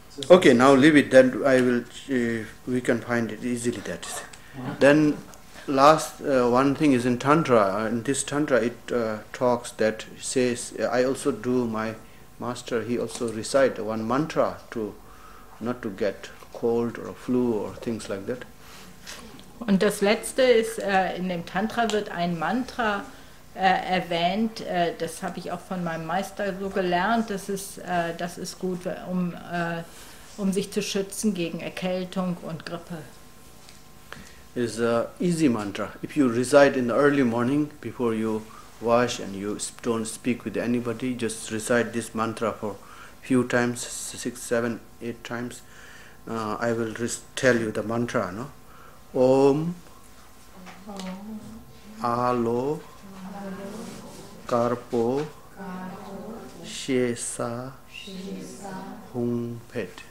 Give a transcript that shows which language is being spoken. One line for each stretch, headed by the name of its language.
English: Okay, now leave it, then I will, we can find it easily, that is. Then, last one thing is in Tantra. In this Tantra, it talks that, says, I also do my master, he also recite one mantra to, not to get cold or flu or things like that.
German: Und das Letzte ist, in dem Tantra wird ein Mantra erwähnt, das habe ich auch von meinem Meister so gelernt, das ist gut, um sich zu schützen gegen Erkältung und Grippe.
English: It's a easy mantra. If you recite in the early morning, before you wash and you don't speak with anybody, just recite this mantra for a few times, 6, 7, 8 times, I will tell you the mantra, no?
Tibetan: Om Alo Karpo Shesa Hung Pet.